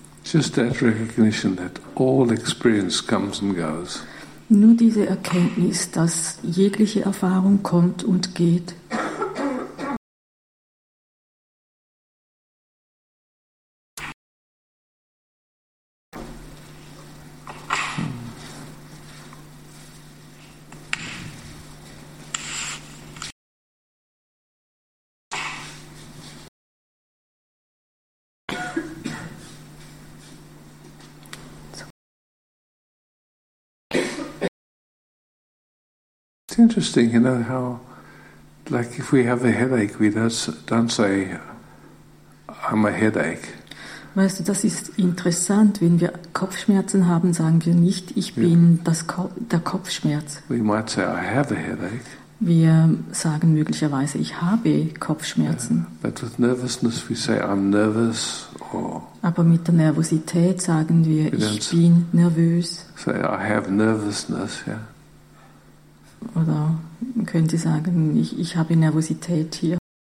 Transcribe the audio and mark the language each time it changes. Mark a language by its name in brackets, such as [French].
[English] Just that recognition that all experience comes and goes. [German] Nur diese Erkenntnis, dass jegliche Erfahrung kommt und geht. [English] Interesting, you know, how, like, if we have a headache, we don't say, I'm a headache. [German] Weißt du, das ist interessant, wenn wir Kopfschmerzen haben, sagen wir nicht, ich bin der Kopfschmerz. [English] We might say, I have a headache. [German] Wir sagen möglicherweise, ich habe Kopfschmerzen. Yeah. [English] But with nervousness we say, I'm nervous, or... [German] Aber mit der Nervosität sagen wir, ich bin nervös. [English] Say, I have nervousness, yeah. [German] Oder können Sie sagen, ich habe Nervosität hier.